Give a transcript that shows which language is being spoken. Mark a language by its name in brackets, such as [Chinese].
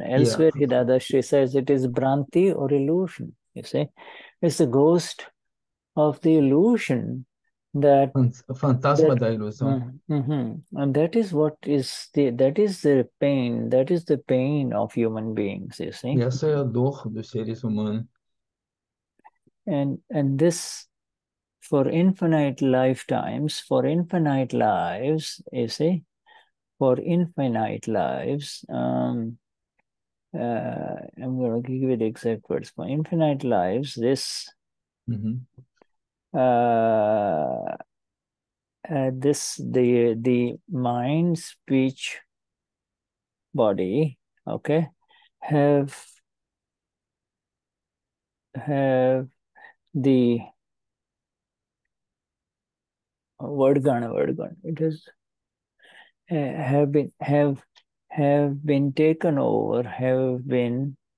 [English] Elsewhere, Hidadashri says it is bhranti or illusion, you see, it's the ghost of the illusion [Portuguese] Fantasma da ilusão. [English] And that is what is the that is the pain that is the pain of human beings, you see. [Portuguese] E essa é a dor dos seres humanos. [English] And this for infinite lifetimes, for infinite lives, you see, for infinite lives. I'm going to give you the exact words. For infinite lives, this. This the mind, speech, body, okay, have the word gun it is have been taken over, have been